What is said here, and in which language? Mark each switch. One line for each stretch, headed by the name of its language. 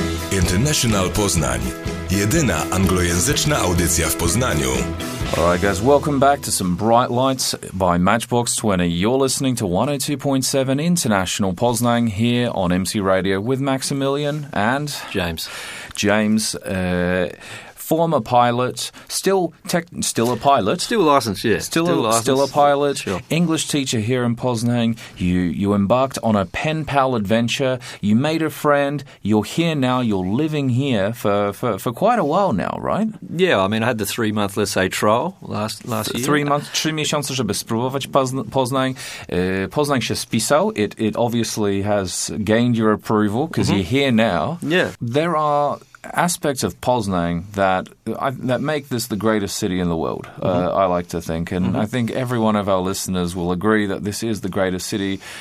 Polish: International Poznań, jedyna anglojęzyczna audycja w Poznaniu.
English: All right, guys, welcome back to some Bright Lights by Matchbox 20. You're listening to 102.7 International Poznań here on MC Radio with Maximilian and... James. James, former pilot, still a pilot. Still licensed, yeah. Still a pilot, sure. English teacher here in Poznań. You embarked on a pen pal adventure. You made a friend. You're here now. You're living here for quite a while now, right? Yeah, I mean, I had the three-month, let's say, trial last year. 3 months,
Polish: 3 miesiące, żeby spróbować Poznań. Poznań się spisał.
English: It obviously has gained your approval because you're here now. Yeah. There are... aspects of Poznań that make this the greatest city in the world, I like to think. And I think every one of our listeners will agree that this is the greatest city.